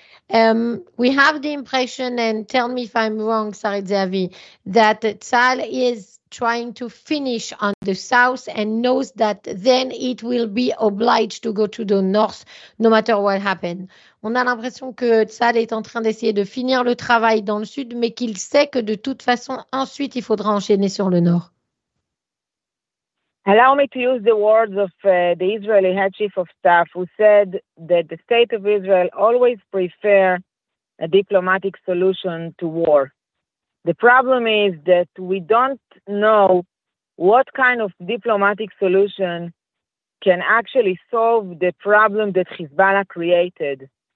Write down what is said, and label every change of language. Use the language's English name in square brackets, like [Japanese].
[English] We have the impression, and tell me if I'm wrong, Sarit Zeavi, that Tzal is trying to finish on the south and knows that then it will be obliged to go to the north, no matter what happens. [French] On a l'impression que Tzal est en train d'essayer de finir le travail dans le sud, mais qu'il sait que de toute façon, ensuite, il faudra enchaîner sur le nord. [English] Allow me to use the words of the Israeli head chief of staff, who said that the state of Israel always prefer a diplomatic solution to war. The problem is that we don't know what kind of diplomatic solution can actually solve the problem that Hezbollah created.